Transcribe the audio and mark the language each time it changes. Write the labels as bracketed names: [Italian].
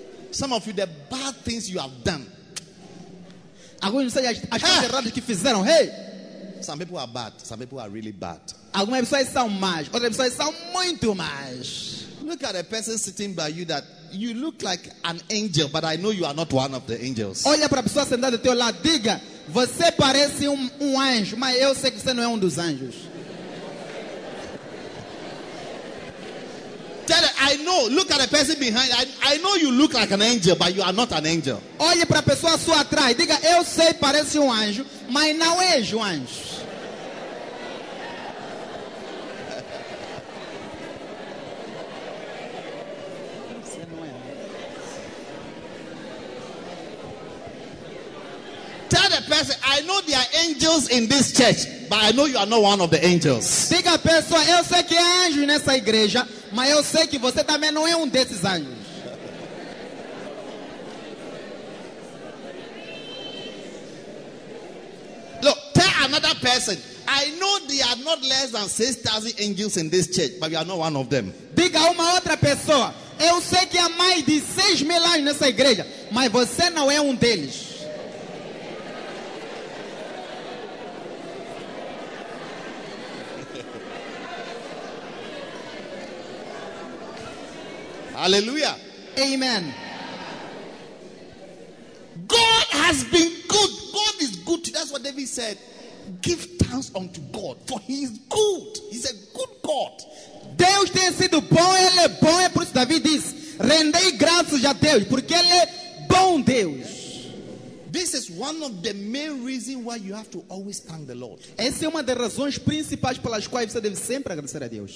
[English] Some of you, the bad things you have done. [Portuguese] Alguns não sei as coisas erradas que fizeram. Hey! [English] Some people are bad. Some people are really bad. [Portuguese] Algumas pessoas são más. Outras pessoas são muito más. [English] Look at a person sitting by you that you look like an angel, but I know you are not one of the angels. [Portuguese] Olha para a pessoa sentada ao teu lado. Diga, você parece um anjo, mas eu sei que você não é um dos anjos. [English] Tell her, I know. Look at the person behind. I know you look like an angel, but you are not an angel. [Portuguese] Olhe para a pessoa à sua atrás. Diga, eu sei, parece anjo, mas não é anjo. [English] Tell the person, I know there are angels in this church, but I know you are not one of the angels. [Portuguese] Diga a pessoa, eu sei que há anjos nessa igreja, mas eu sei que você também não é desses anjos. [English] Look, tell another person, I know there are not less than 6,000 angels in this church, but you are not one of them. [Portuguese] Diga a uma outra pessoa, eu sei que há mais de 6,000 anjos nessa igreja, mas você não é deles. [English] Hallelujah. Amen. God has been good. God is good. That's what David said. Give thanks unto God, for he is good. He's a good God. [Portuguese] Deus tem sido bom, ele é bom. É por isso David diz, rendei graças a Deus, porque ele é bom Deus. [English] This is one of the main reasons why you have to always thank the Lord. [Portuguese] Essa é uma das razões principais pelas quais você deve sempre agradecer a Deus.